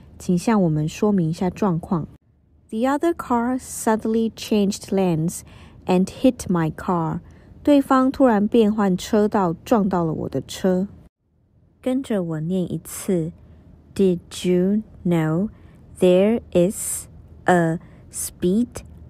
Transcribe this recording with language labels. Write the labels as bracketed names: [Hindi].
[Chinese] 请向我们说明一下状况。 [English] The other car suddenly changed lanes and hit my car. [Chinese] 对方突然变换车道撞到了我的车。跟着我念一次。 [English] Did you know there is a speed limit?